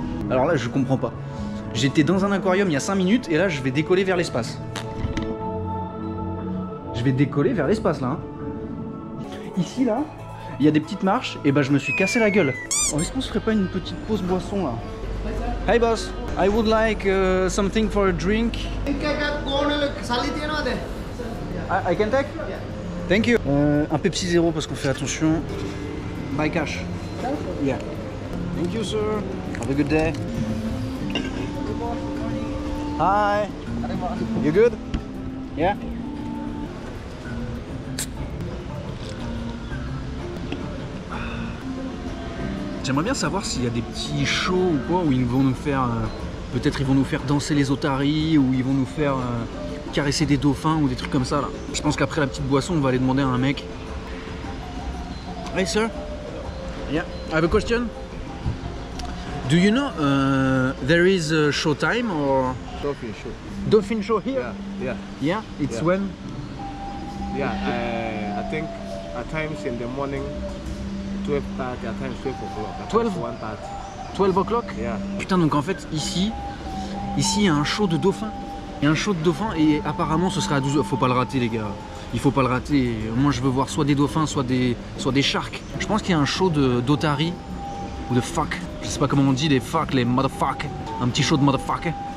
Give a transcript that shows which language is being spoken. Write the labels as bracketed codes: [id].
[fr] Alors là, je comprends pas. J'étais dans un aquarium il y a 5 minutes et là, je vais décoller vers l'espace. Je vais décoller vers l'espace là. Ici là, il y a des petites marches et je me suis cassé la gueule. Oh, est-ce qu'on se ferait pas une petite pause boisson là? [en] Hey boss, I would like something for a drink. I can take? Thank you. [fr] Un Pepsi Zero parce qu'on fait attention. [en] By cash. Yeah. Thank you, sir. Have a good day. Hi. You good? Yeah? [fr] J'aimerais bien savoir s'il y a des petits shows ou quoi, où ils vont nous faire... Peut-être ils vont nous faire danser les otaries, ou ils vont nous faire caresser des dauphins, ou des trucs comme ça, là. Je pense qu'après la petite boisson, on va aller demander à un mec. [en] Hey, sir. Yeah. I have a question. Do you know there is a show time or... Dolphin show. Dolphin show here? Yeah. Yeah? Yeah? It's yeah. When? Yeah, I think at times in the morning, 12:30, at times 12 o'clock. 12 o'clock? Yeah. [fr] Putain, donc en fait, ici, il y a un show de dauphins. Il y a un show de dauphins et apparemment, ce serait à 12. Faut pas le rater, les gars. Il faut pas le rater. Moi, je veux voir soit des dauphins, soit des sharks. Je pense qu'il y a un show de d'otaries ou de fuck. Je sais pas comment on dit, les fuck, les motherfuck. Un petit show de motherfuck.